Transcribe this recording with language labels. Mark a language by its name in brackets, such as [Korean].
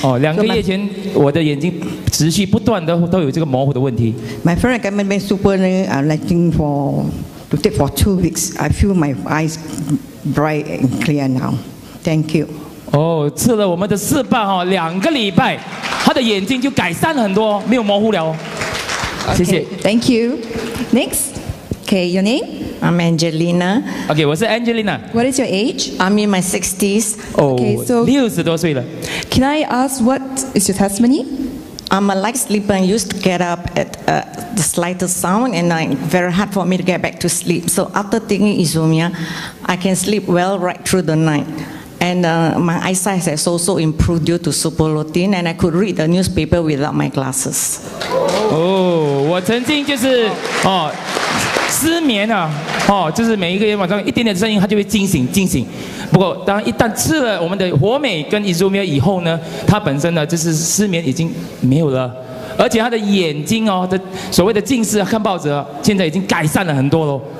[Chinese] 2个月前，我的眼睛持续不断的都有这个模糊的问题。 [English] My friend recommend me super lighting to take for 2 weeks. I feel my eyes bright and clear now. Thank you. [Chinese] 吃了我们的四瓣哈，2个礼拜，他的眼睛就改善了很多，没有模糊了。 [English] Okay, [Chinese] 谢谢。 [English] Thank you. Next. Okay, your name? I'm Angelina. Okay, what's Angelina? What is your age? I'm in my 60s. Okay, so [Chinese] 60多岁了。 [English] Can I ask what is your testimony? I'm a light sleeper. I used to get up at the slightest sound, and it's very hard for me to get back to sleep. So after taking Isomia, I can sleep well right through the night. And my eyesight has also improved due to superlotin, and I could read the newspaper without my glasses. [Chinese] Oh, 我曾经就是失眠啊，就是每一个晚上一点点声音，他就会惊醒。不过，当一旦吃了我们的活美跟伊苏米尔以后呢，他本身呢就是失眠已经没有了，而且他的眼睛哦的所谓的近视看报纸，现在已经改善了很多喽。